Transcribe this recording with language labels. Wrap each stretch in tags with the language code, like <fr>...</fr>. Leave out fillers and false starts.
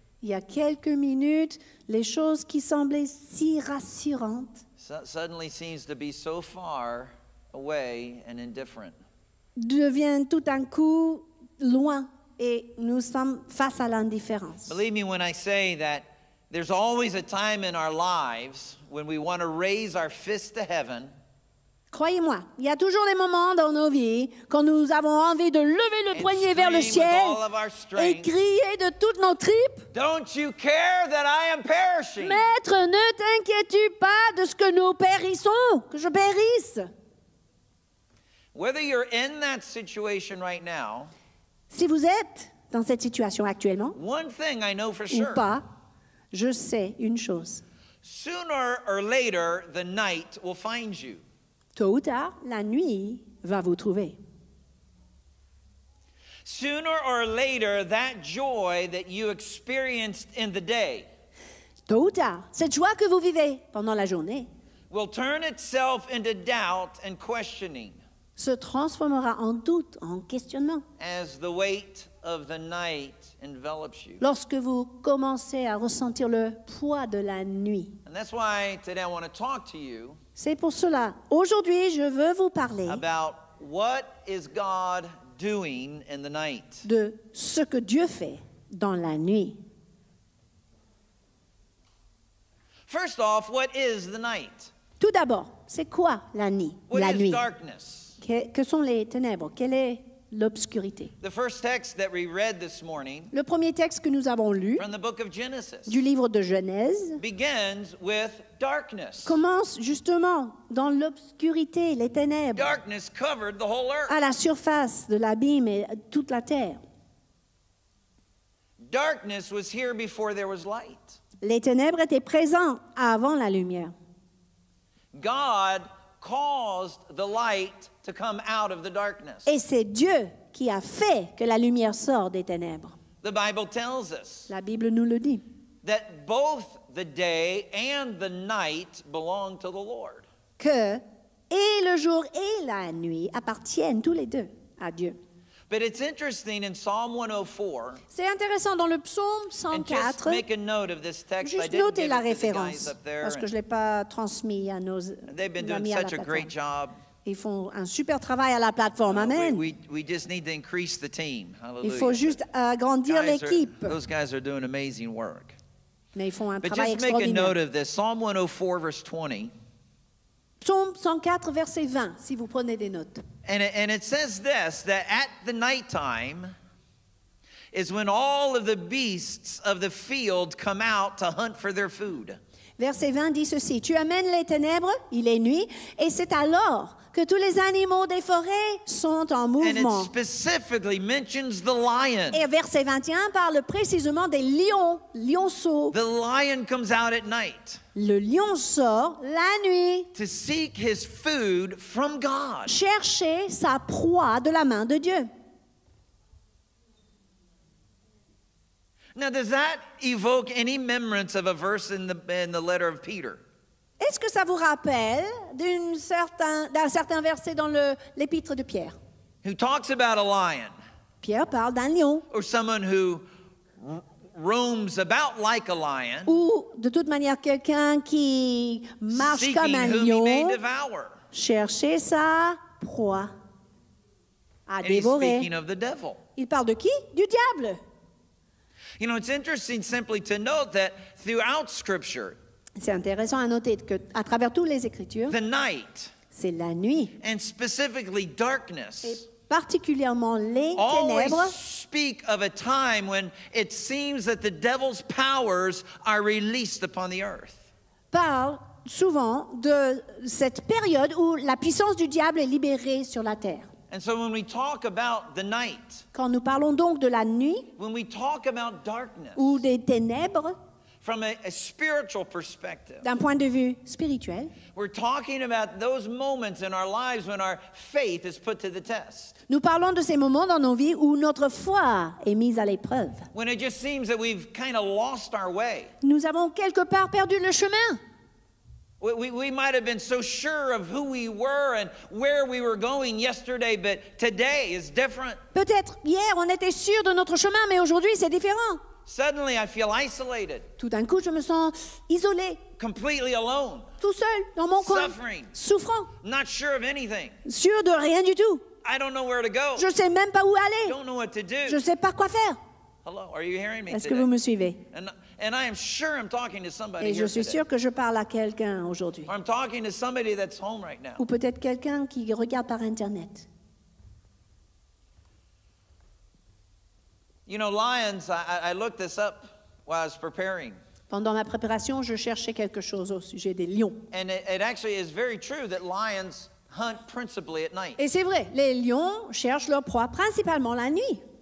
<fr>Il y a quelques minutes, les choses qui semblaient si rassurantes.</fr> <en>Suddenly seems to be so far away and indifferent.</en> <fr>Deviennent tout d'un coup loin et nous sommes face à l'indifférence.</fr> <en>Believe me when I say that there's always a time in our lives when we want to raise our fist to heaven.</en> <fr>Croyez-moi, il y a toujours des moments dans nos vies quand nous avons envie de lever le poignet vers le ciel et crier de toutes nos tripes.</fr> <en>Don't you care that I am perishing?</en> <fr>Maître, ne t'inquiètes-tu pas de ce que nous périssons, que je périsse.</fr> <en>Whether you're in that situation right now,</en> <fr>si vous êtes dans cette situation actuellement,</fr> <en>one thing I know for</en> <fr>ou</fr> <en>sure.</en> <fr>Pas, je sais une chose.</fr> <en>Sooner or later, the night will find you.</en> <fr>Tôt ou tard, la nuit va vous trouver.</fr> <en>Sooner or later, that joy that you experienced in the day,</en> <fr>tôt ou tard, cette joie que vous vivez pendant la journée,</fr> <en>will turn itself into doubt and questioning,</en> <fr>se transformera en doute, en questionnement,</fr> <en>as the weight of the night envelops you.</en> <fr>Lorsque vous commencez à ressentir le poids de la nuit.</fr> <en>And that's why today I want to talk to you.</en> <fr>C'est pour cela, aujourd'hui, je veux vous parler</fr> <en>about what is God doing in the night.</en> <fr>De ce que Dieu fait dans la nuit.</fr> <en>First off, what is the night?</en> <fr>Tout d'abord, c'est quoi la nuit?</fr> <en>What</en> <fr>la</fr> <en>is</en> <fr>nuit?</fr> <en>Darkness?</en> <fr>Que sont les ténèbres? Quelle est l'obscurité?</fr> <en>The first text that we read this morning,</en> <fr>le premier texte que nous avons lu</fr> <en>from the book of Genesis,</en> <fr>du livre de Genèse</fr> <en>begins with darkness.</en> <fr>Commence justement dans l'obscurité, les ténèbres.</fr> <en>Darkness covered the whole earth.</en> <fr>À la surface de l'abîme et toute la terre.</fr> <en>Darkness was here before there was light.</en> <fr>Les ténèbres étaient présents avant la lumière.</fr> <en>God caused the light to come out of the darkness.</en> <fr>Et c'est Dieu qui a fait que la lumière sort des ténèbres.</fr> <en>The Bible tells us.</en> <fr>La Bible nous le dit.</fr> <en>That both the day and the night belong to the Lord.</en> <fr>Que et le jour et la nuit appartiennent tous les deux à Dieu.</fr> <en>But it's interesting in Psalm 104.</en> <fr>C'est intéressant dans le psaume 104.</fr> <en>And just make a note of this text.</en> <fr>Juste noter la référence parce que je l'ai pas transmis à nos amis à la plateforme.</fr> <en>They've been doing such a great job.</en> <fr>Ils font un super travail à la plateforme.</fr> <en>Amen. We just need to increase the team. Hallelujah.</en> <fr>Il faut juste agrandir l'équipe.</fr> <en>Those guys are doing amazing work.</en> <fr>Mais ils font un</fr> <en>but</en> <fr>travail extraordinaire.</fr> <en>But just make a note of this. Psalm 104, verse 20.</en> <fr>Psaume 104, verset 20, si vous prenez des notes.</fr> <en>And it says this, that at the nighttime is when all of the beasts of the field come out to hunt for their food.</en> <fr>Verset 20 dit ceci, tu amènes les ténèbres, il est nuit, et c'est alors que tous les animaux des forêts sont en mouvement.</fr> <en>And it specifically mentions the lion.</en> <fr>Et verset 21 parle précisément des lions, lionceaux.</fr> <en>The lion comes out at night.</en> <fr>Le lion sort la nuit.</fr> <en>To seek his food from God.</en> <fr>Chercher sa proie de la main de Dieu.</fr> <en>Now, does that evoke any remembrance of a verse in the letter of Peter?</en> <fr>Est-ce que ça vous rappelle d'un certain verset dans l'épître de Pierre?</fr> <en>Who talks about a lion?</en> <fr>Pierre parle d'un lion.</fr> <en>Or someone who roams about like a lion.</en> <fr>Ou de toute manière quelqu'un qui marche comme un lion.</fr> <en>Seeking whom he may devour.</en> <fr>Chercher sa proie à</fr> <en>and</en> <fr>dévorer.</fr> <en>He's speaking of the devil.</en> <fr>Il parle de qui? Du diable.</fr> <en>You know, it's interesting simply to note that throughout Scripture,</en> <fr>c'est intéressant à noter que à travers toutes les Écritures,</fr> <en>the night,</en> <fr>c'est la nuit,</fr> <en>and specifically darkness,</en> <fr>particulièrement les ténèbres,</fr> <en>speak of a time when it seems that the devil's powers are released upon the earth.</en> <fr>Parle souvent de cette période où la puissance du diable est libérée sur la terre.</fr> <en>And so when we talk about the night,</en> <fr>quand nous parlons donc de la nuit,</fr> <en>when we talk about darkness,</en> <fr>ou des ténèbres,</fr> <en>from a spiritual perspective,</en> <fr>d'un point de vue spirituel,</fr> <en>we're talking about those moments in our lives when our faith is put to the test.</en> <fr>Nous parlons de ces moments dans nos vies où notre foi est mise à l'épreuve.</fr> <en>When it just seems that we've kind of lost our way.</en> <fr>Nous avons quelque part perdu le chemin.</fr> <en>We might have been so sure of who we were and where we were going yesterday, but today is different.</en> <fr>Peut-être hier on était sûr de notre chemin, mais aujourd'hui c'est différent.</fr> <en>Suddenly I feel isolated.</en> <fr>Tout d'un coup, je me sens isolé.</fr> <en>Completely alone.</en> <fr>Tout seul dans mon coin.</fr> <en>Suffering.</en> <fr>Souffrant.</fr> <en>Not sure of anything.</en> <fr>Sûr de rien du tout.</fr> <en>I don't know where to go.</en> <fr>Je sais même pas où aller.</fr> <en>Don't know what to do.</en> <fr>Je sais pas quoi faire.</fr> <en>Hello, are you hearing me?</en> <fr>Est-ce que vous me suivez?</fr> <en>And I am sure I'm talking to somebody.</en> <fr>Et je suis sûr que je parle à quelqu'un aujourd'hui.</fr> <en>Or I'm talking to somebody that's home right now.</en> <fr>Ou peut-être quelqu'un qui regarde par internet.</fr> <en>You know, lions, I looked this up while I was preparing.</en> <fr>Pendant ma préparation, je cherchais quelque chose au sujet des lions.</fr> <en>And it actually is very true that lions hunt principally at night.</en> <fr>Et c'est vrai, les lions cherchent leur proie principalement la nuit.</fr>